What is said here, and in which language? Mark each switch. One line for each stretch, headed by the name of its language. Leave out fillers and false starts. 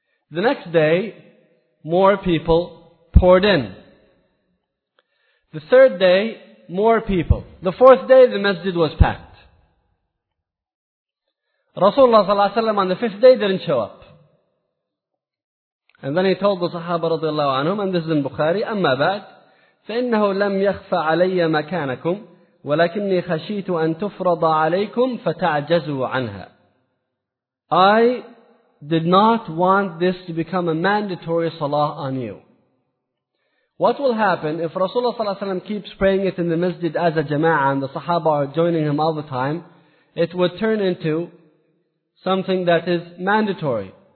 English: The next day, more people poured in. The third day, more people. The fourth day, the masjid was packed. Rasulullah sallallahu alaihi wasallam on the fifth day didn't show up. And then he told the Sahaba radiallahu anhum, and this is in Bukhari,
Arabic: أَمَّا بَعْدْ فَإِنَّهُ لَمْ يَخْفَ عَلَيَّ مَكَانَكُمْ وَلَكِنِّي خَشِيتُ أَن تُفْرَضَ عَلَيْكُمْ فَتَعْجَزُوا عَنْهَا.
English: I did not want this to become a mandatory salah on you. What will happen if Rasulullah sallallahu alaihi wasallam keeps praying it in the masjid as a jama'ah and the sahaba are joining him all the time? It would turn into something that is mandatory.